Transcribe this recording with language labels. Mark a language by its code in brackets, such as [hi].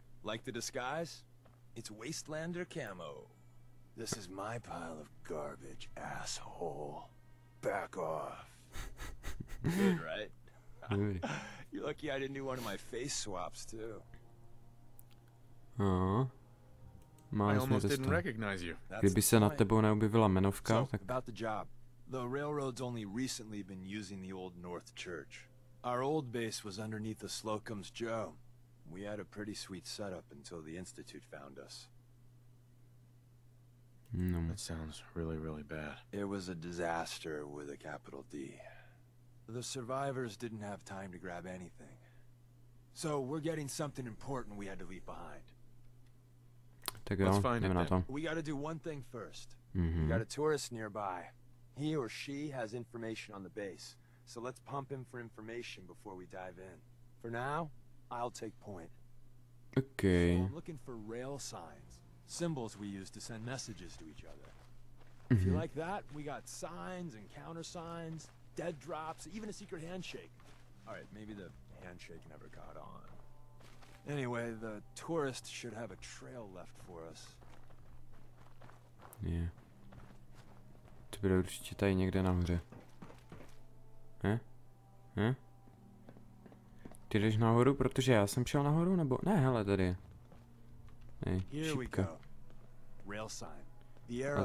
[en] Like the disguise? It's Wastelander camo. This is my pile of garbage, asshole. Back off. Good, right? You're lucky I didn't do one of my face swaps, too. Aww. I almost didn't recognize you. [cs] Kdyby se nad tebou neobjevila jmenovka, tak... [en] About the job. The railroad's only recently been using the old North Church. Our old base was underneath the Slocum's Joe. We had a pretty sweet setup until the Institute found us. No. That sounds really, really bad. It was a disaster with a capital D. The survivors didn't have time to grab anything. So we're getting something important we had to leave behind. Take it on. Let's find it then. We gotta do one thing first. We got a tourist nearby. He or she has information on the base. So let's pump him for information before we dive in. For now, I'll take point. Okay. So I'm looking for rail signs. Symbols we use to send messages to each other. If you like that, we got signs and countersigns, dead drops, even a secret handshake. Alright, maybe the handshake never caught on. Anyway, the tourist should have a trail left for us. Yeah. [cs] To bude určitě tady někde nahoře. Ne? Ne? Ty jdeš nahoru, protože já jsem šel nahoru, nebo... Ne, hele, tady je. Ne, šipka. [en] Rail sign. The arrow.